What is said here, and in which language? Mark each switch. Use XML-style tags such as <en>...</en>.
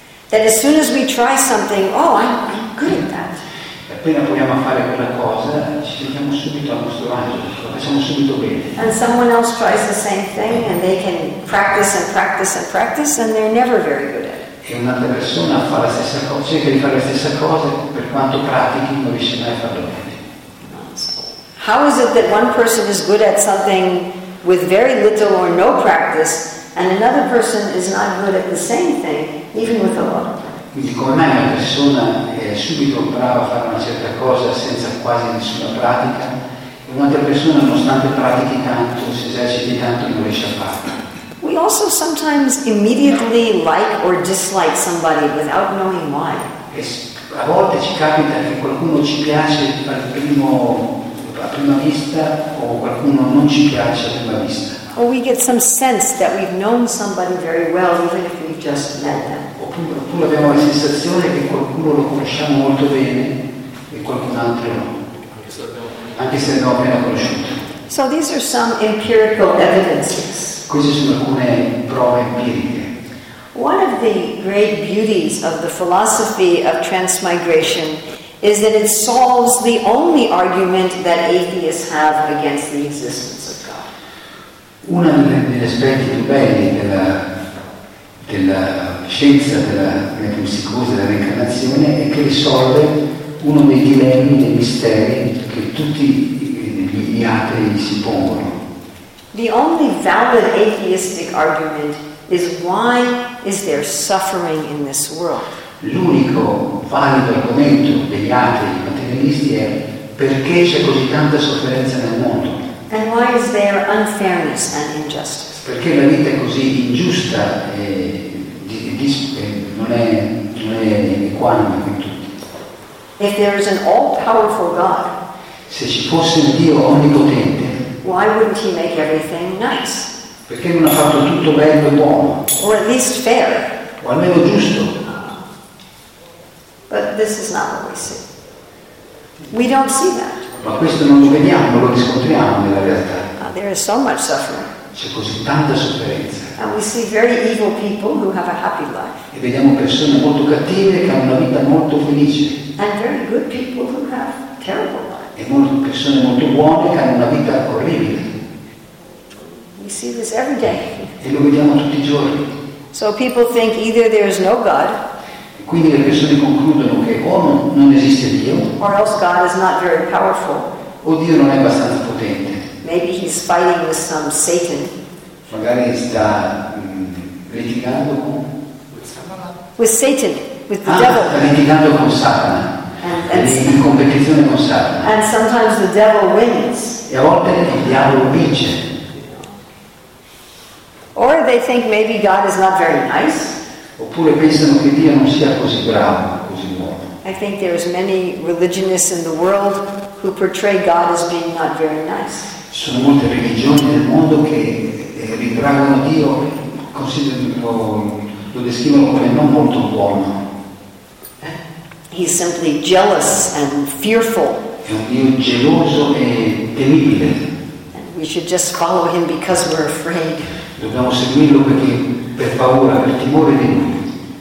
<en>That as soon as we try something, oh, I'm good at that.</en> <it>Appena proviamo a fare quella cosa, ci sentiamo subito a nostro agio, lo facciamo subito bene.</it> <en>And someone else tries the same thing and they can practice and practice and practice and they're never very good at it.</en> <it>E un'altra persona fa la stessa cosa, cerca di fare la stessa cosa, per quanto pratichi non riesce mai a farlo bene.</it> <en>How is it that one person is good at something with very little or no practice and another person is not good at the same thing, even with a lot?</en> <it>Quindi come mai una persona è subito brava a fare una certa cosa senza quasi nessuna pratica e un'altra persona nonostante pratichi tanto, si eserciti tanto, non riesce a farlo?</it> <en>We also sometimes immediately like or dislike somebody without knowing why.</en> <it>E a volte ci capita che qualcuno ci piace a prima vista o qualcuno non ci piace a prima vista.</it> <en>Or we get some sense that we've known somebody very well even if we've just met them.</en> <it>Oppure abbiamo la sensazione che qualcuno lo conosciamo molto bene e qualcun altro no, anche se non abbiamo conosciuto.</it> <en>So these are some empirical evidences.</en> <it>Queste sono alcune prove empiriche.</it> <en>One of the great beauties of the philosophy of transmigration is that it solves the only argument that atheists have against the existence of God.</en> <it>Uno degli aspetti più belli della scienza della metempsicosi della reincarnazione è che risolve uno dei dilemmi, dei misteri che tutti gli atei si pongono.</it> <en>The only valid atheistic argument is why is there suffering in this world?</en> <it>L'unico valido argomento degli atei materialisti è perché c'è così tanta sofferenza nel mondo.</it> <en>And why is there unfairness and injustice?</en> <it>Perché la vita è così ingiusta e non è equanime con tutti.</it> <en>If there is an all-powerful God,</en> <it>se ci fosse un Dio onnipotente,</it> <en>why wouldn't he make everything nice?</en> <it>Perché non ha fatto tutto bello e buono?</it> <en>Or at least fair.</en> <it>O almeno giusto.</it> <en>But this is not what we see. We don't see that.</en> <it>Ma questo non lo vediamo, non lo riscontriamo nella realtà.</it> <en>There is so much suffering.</en> <it>C'è così tanta sofferenza.</it> <en>And we see very evil people who have a happy life.</en> <it>E vediamo persone molto cattive che hanno una vita molto felice.</it> <en>And very good people who have terrible life.</en> <it>E molte persone molto buone che hanno una vita orribile.</it> <en>We see this every day.</en> <it>E lo vediamo tutti i giorni.</it> <en>So people think either there is no God.</en> <it>E quindi le persone concludono che o non esiste Dio.</it> <en>Or else God is not very powerful.</en> <it>O Dio non è abbastanza potente.</it> <en>Maybe he's fighting with some Satan.</en> <it>Magari sta litigando con</it> <en>Satana. With Satan, with the devil.</en> <it>Sta litigando con Satana.</it> <en>And</en> <it>in competizione con Satana.</it> <en>And sometimes the devil wins.</en> <it>E a volte il diavolo vince.</it> <en>Or they think maybe God is not very nice.</en> <it>Oppure pensano che Dio non sia così bravo, così buono.</it> <en>I think there's many religionists in the world who portray God as being not very nice.</en> <it>Sono molte religioni nel mondo che ritraggono Dio, lo descrivono come non molto buono.</it> <en>He's simply jealous and fearful.</en> <it>È un Dio geloso e temibile.</it> <en>And we should just follow him because we're afraid.</en> <it>Dobbiamo seguirlo perché per paura, per timore di lui.</it>